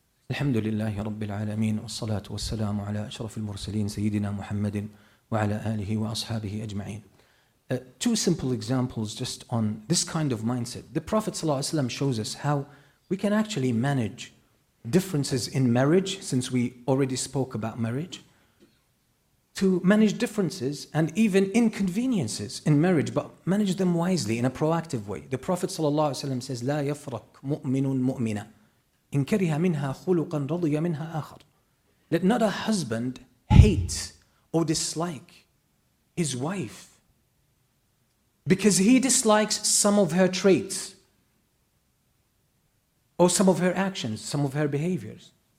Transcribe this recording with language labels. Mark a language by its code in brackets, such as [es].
[ar] الحمد لله رب العالمين والصلاة والسلام على أشرف المرسلين سيدنا محمد وعلى آله وأصحابه أجمعين. [en] Two simple examples just on this kind of mindset. The Prophet [ar] صلى الله عليه وسلم [en] shows us how we can actually manage differences in marriage, since we already spoke about marriage, to manage differences and even inconveniences in marriage, but manage them wisely in a proactive way. [ar] The Prophet صلى الله عليه وسلم says, لا يفرق مؤمن مؤمنة إن كره منها خلقا رضي منها آخر. [en] Let not a husband hate or dislike his wife because he dislikes some of her traits or some of her actions, some of her behaviors.